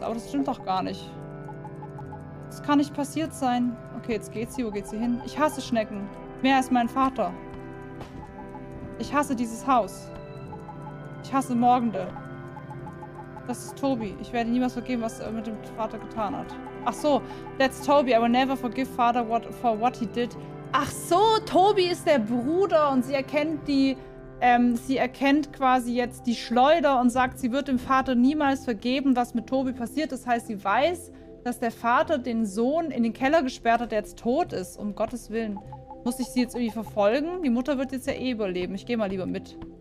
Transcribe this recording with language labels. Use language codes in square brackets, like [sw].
[de] Aber das stimmt doch gar nicht. Das kann nicht passiert sein. Okay, jetzt geht sie. Wo geht sie hin? Ich hasse Schnecken. Mehr als mein Vater. Ich hasse dieses Haus. Ich hasse Morgende. Das ist Toby. Ich werde niemals vergeben, was er mit dem Vater getan hat. Ach so. [en] That's Toby. I will never forgive Father for what he did. [de] Ach so, Toby ist der Bruder und sie erkennt die... sie erkennt quasi jetzt die Schleuder und sagt, sie wird dem Vater niemals vergeben, was mit Toby passiert. Das heißt, sie weiß, dass der Vater den Sohn in den Keller gesperrt hat, der jetzt tot ist. Um Gottes Willen. Muss ich sie jetzt irgendwie verfolgen? Die Mutter wird jetzt ja eh überleben. Ich gehe mal lieber mit.